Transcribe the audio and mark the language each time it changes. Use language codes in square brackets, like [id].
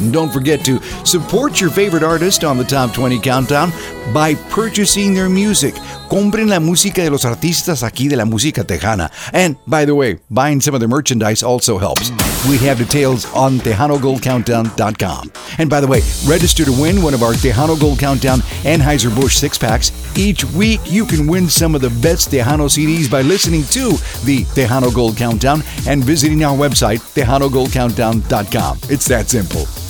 [en] And don't forget to support your favorite artist on the Top 20 Countdown by purchasing their music. [es] Compren la música de los artistas aquí de la música tejana. [en] And by the way, buying some of their merchandise also helps. We have details on TejanoGoldCountdown.com. And by the way, register to win one of our Tejano Gold Countdown Anheuser-Busch six-packs. Each week, you can win some of the best Tejano CDs by listening to the Tejano Gold Countdown and visiting our website, TejanoGoldCountdown.com. It's that simple.